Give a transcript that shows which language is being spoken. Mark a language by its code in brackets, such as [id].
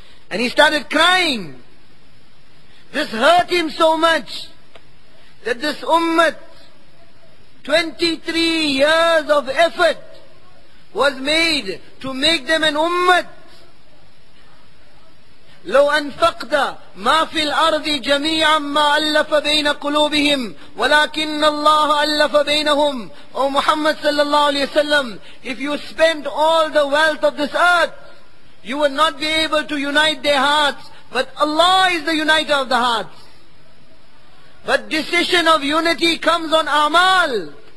[en] And he started crying. This hurt him so much that this ummah, 23 years of effort was made to make them an ummah. [ar] لو أنفقت ما في الأرض جميعا ما ألف بين قلوبهم ولكن الله ألف بينهم. [en] O Muhammad sallallahu alayhi wa sallam, if you spent all the wealth of this earth, you would not be able to unite their hearts. But Allah is the uniter of the hearts. But decision of unity comes on amal.